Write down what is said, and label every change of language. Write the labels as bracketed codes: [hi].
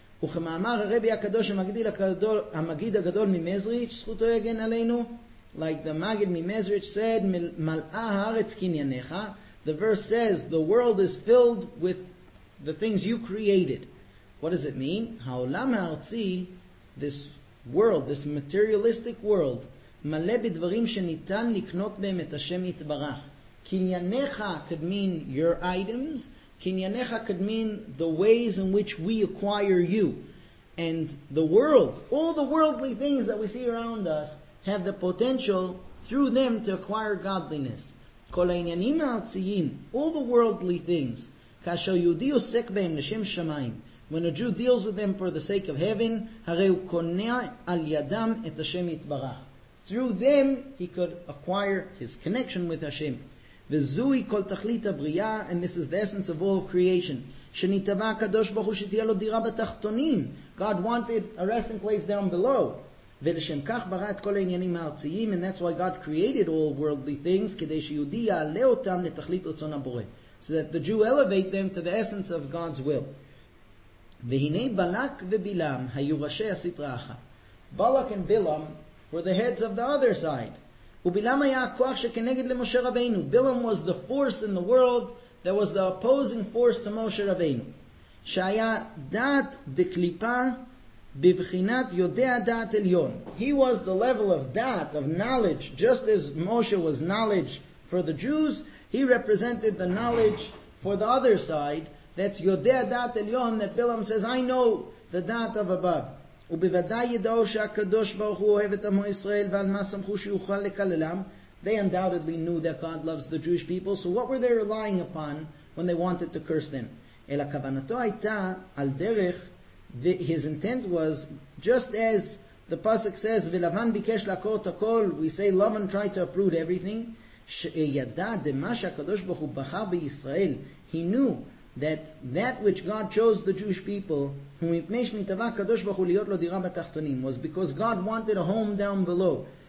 [he] וכמאמר הרבי הקדוש המגדיל הקדול, המגיד הגדול ממזריץ', זכותו יגן עלינו, [en] like the Magid Mimezrich said, [he] מלאה הארץ קנייניך. [en] The verse says, the world is filled with the things you created. What does it mean? [he] העולם הארצי, [en] this world, this materialistic world, [he] מלא בדברים שניתן לקנות בהם את השם יתברך. [en] קנייניך could mean your items. קנייניך could mean the ways in which we acquire you. And the world, all the worldly things that we see around us, have the potential through them to acquire godliness. [he] כל העניינים הארציים, [en] all the worldly things, [he] כאשר יהודי עוסק בהם לשם שמיים, [en] when a Jew deals with them for the sake of heaven, [he] הרי הוא קונה על ידם את השם יתברך. [en] Through them, he could acquire his connection with Hashem. [he] וזוהי כל תכלית הבריאה, [en] and this is the essence of all creation, [he] שנתבע הקדוש ברוך הוא שתהיה לו דירה בתחתונים. [en] God wanted a resting place down below. [he] ולשם כך ברא את כל העניינים הארציים, [en] and that's why God created all worldly things, [he] כדי שיהודי יעלה אותם לתכלית רצון הבורא. [en] So that the Jew elevate them to the essence of God's will. [he] והנה בלק ובילם היו ראשי הסתרה אחת. [en] בלק ובילם were the heads of the other side. [he] ובילם היה הכוח שכנגד למשה רבינו. [en] בילם was the force in the world that was the opposing force to משה רבינו. [he] שהיה דעת דקליפה, בבחינת יודע דעת עליון. [en] He was the level of dat, of knowledge, just as Moshe was knowledge for the Jews, he represented the knowledge for the other side, that's [he] יודע דעת עליון, [en] that Bilam says, I know the dat of above. [he] ובוודאי ידעו שהקדוש ברוך הוא אוהב את עמו ישראל, ועל מה סמכו שיוכל לקללם. [en] They undoubtedly knew that God loves the Jewish people, so what were they relying upon when they wanted to curse them? [he] אלא כוונתו הייתה על דרך, [en] his intent was, just as the Pasuk says, [he] ולבן ביקש לעקור את הכל, [en] we say, Laban tried to uproot everything, [he] שידע דמה שהקדוש ברוך הוא בחר בישראל, [en] he knew that which God chose the Jewish people, [he] ומפני שנתבע הקדוש ברוך הוא להיות לו דירה בתחתונים, [en] was because God wanted a home down below.